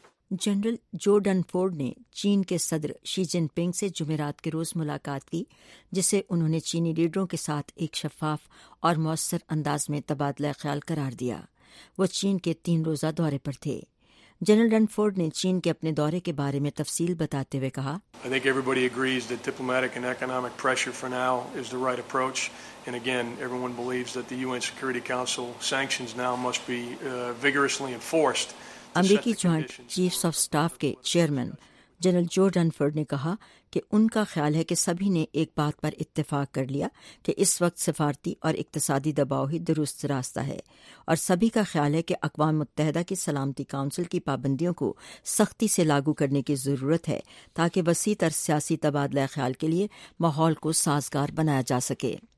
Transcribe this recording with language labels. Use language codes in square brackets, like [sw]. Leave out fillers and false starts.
[ur] General جو Dunford نے چین کے صدر شی جن پنگ سے جمعرات کے روز ملاقات کی، جسے انہوں نے چینی لیڈروں کے ساتھ ایک شفاف اور مؤثر انداز میں تبادلہ خیال قرار دیا۔ وہ چین کے 3 روزہ دورے پر تھے۔ جنرل ڈنفورڈ نے چین کے اپنے دورے کے بارے میں تفصیل بتاتے ہوئے کہا، [en] I think everybody agrees that diplomatic and economic pressure for now is the right approach. And again, everyone believes that the UN Security Council sanctions now must be vigorously enforced. [ur] امریکی جوائنٹ چیفز آف اسٹاف کے chairman general جو ڈنفرڈ نے کہا کہ ان کا خیال ہے کہ سبھی نے ایک بات پر اتفاق کر لیا کہ اس وقت سفارتی اور اقتصادی دباؤ ہی درست راستہ ہے، اور سبھی کا خیال ہے کہ اقوام متحدہ کی سلامتی کونسل کی پابندیوں کو سختی سے لاگو کرنے کی ضرورت ہے تاکہ وسیع تر سیاسی تبادلہ خیال کے لیے ماحول کو سازگار بنایا جا سکے۔